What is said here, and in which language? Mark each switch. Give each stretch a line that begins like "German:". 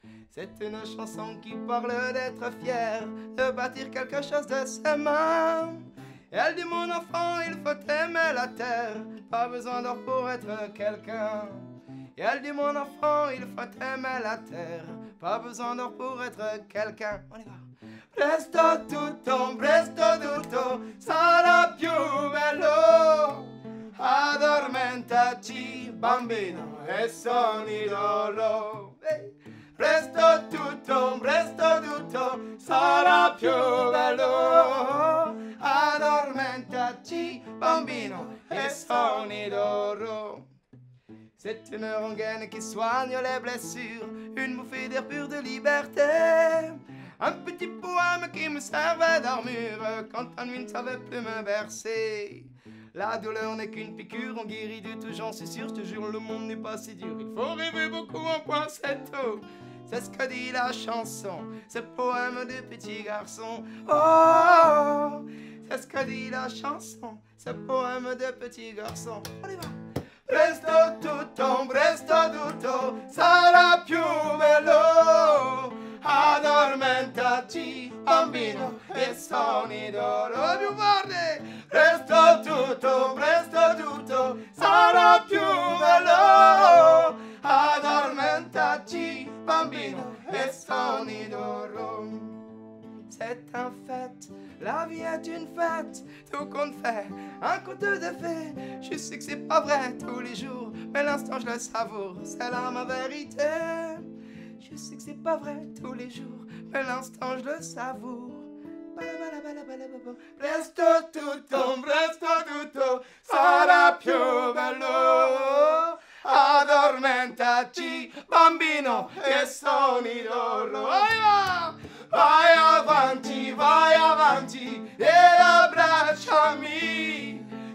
French: C'est une chanson qui parle d'être fier, de bâtir quelque chose de ses mains. Elle dit, mon enfant, il faut aimer la terre, pas besoin d'or pour être quelqu'un. Et elle dit, mon enfant, il faut aimer la terre, pas besoin d'or pour être quelqu'un. On y va.
Italian: Presto tutto, presto tutto, sarà più bello. Addormentaci, bambino, e sonnidolo. Presto tutto, presto tutto, sarà più bello. Addormentaci, bambino, e sonnidolo.
French: C'est une rengaine qui soigne les blessures, une bouffée d'air pur de liberté. Un petit poème qui me servait d'armure quand la nuit ne savait plus me bercer. La douleur n'est qu'une piqûre, on guérit du tout, j'en suis sûr, je te jure, le monde n'est pas si dur. Il faut rêver beaucoup en point, c'est tout. C'est ce que dit la chanson, ce poème du petit garçon. Oh, c'est ce que dit la chanson, ce poème du petit garçon. On y va.
Italian: Presto tutto, presto tutto, sarà più bello. Addormentati, bambino, e sogni d'oro. Più forte! Presto tutto, presto tutto, sarà più bello. Addormentati, bambino, e sogni d'oro.
French: C'est un fait, la vie est une fête, tout compte fait, un conte de fées. Je sais que c'est pas vrai tous les jours, mais l'instant je le savoure, c'est là ma vérité. Je sais que c'est pas vrai tous les jours, mais l'instant je le savoure. Balabalabalabalababa.
Italian: Presto tutto, presto tutto, sarà più bello. Addormentati, bambino, e sogni d'oro. Vai avanti, vai avanti, e abbracciami.